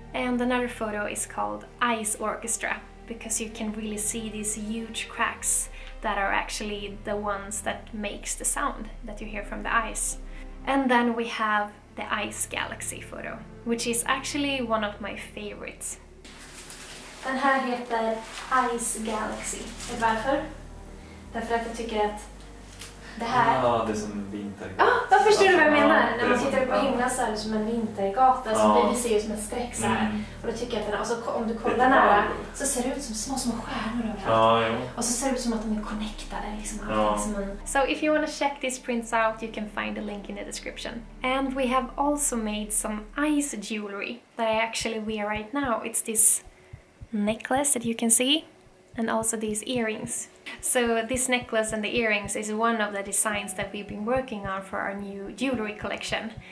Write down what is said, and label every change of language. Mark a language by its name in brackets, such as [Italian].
[English] And another photo is called Ice Orchestra because you can really see these huge cracks that are actually the ones that makes the sound that you hear from the ice. And then we have the Ice Galaxy photo, which is actually one of my favorites. [Swedish] Den här heter Ice Galaxy. Och varför? Därför att jag tycker att det här... Ja, det är som en vintergata. Ja, ah, varför förstår du vad jag menar? Ja, när man tittar på himlen så är det som en vintergata. Ja. Som vi ser ju som en streck så här. Mm. Och då tycker jag att den, och så om du kollar nära så ser det ut som små stjärnor överallt. Ja, ja. Och så ser det ut som att de är connectade. Liksom, ja. Liksom en... [English] So if you want to check these prints out you can find the link in the description. And we have also made some ice jewelry that I actually wear right now. It's this necklace that you can see, and also these earrings. So this necklace and the earrings is one of the designs that we've been working on for our new jewelry collection.